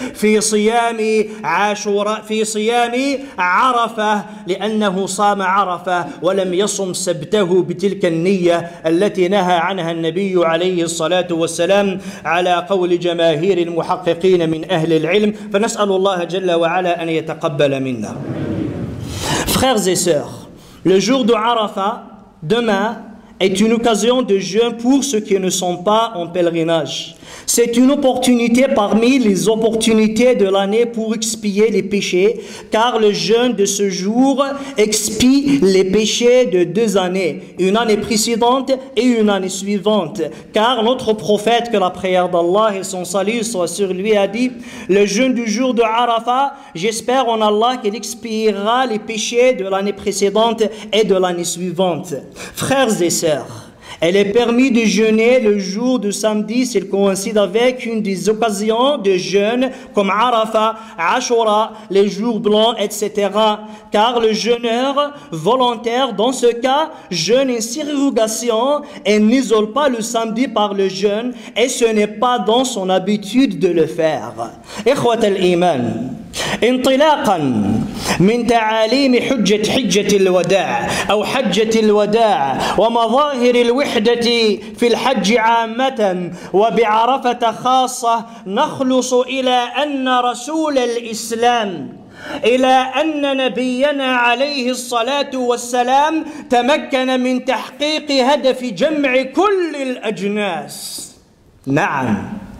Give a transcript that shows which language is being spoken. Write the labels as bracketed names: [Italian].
[Arabic] في صيام عاشوراء في صيام عرفة لأنه صام عرفة ولم يصم سبته بتلك النية التي نهى عنها النبي عليه الصلاة والسلام على قول جماهير المحققين من أهل العلم فنسأل الله جل وعلا أن يتقبل منا. [French] Frères et sœurs, le jour de Arafa demain est une occasion de jeûne pour ceux qui ne sont pas en pèlerinage. C'est une opportunité parmi les opportunités de l'année pour expier les péchés, car le jeûne de ce jour expie les péchés de deux années, une année précédente et une année suivante. Car notre prophète, que la prière d'Allah et son salut soient sur lui, a dit « Le jeûne du jour de Arafat, j'espère en Allah qu'il expiera les péchés de l'année précédente et de l'année suivante. » Frères et sœurs, elle est permis de jeûner le jour du samedi s'il coïncide avec une des occasions de jeûne comme Arafah, Ashura, les jours blancs, etc. Car le jeûneur volontaire, dans ce cas, jeûne une circonvolution et n'isole pas le samedi par le jeûne et ce n'est pas dans son habitude de le faire. [Arabic] Ikhwat al-Iman, intilaqan من تعاليم حجة حجة الوداع أو حجة الوداع ومظاهر الوحدة في الحج عامة وبعرفة خاصة نخلص إلى أن رسول الإسلام إلى أن نبينا عليه الصلاة والسلام تمكن من تحقيق هدف جمع كل الأجناس نعم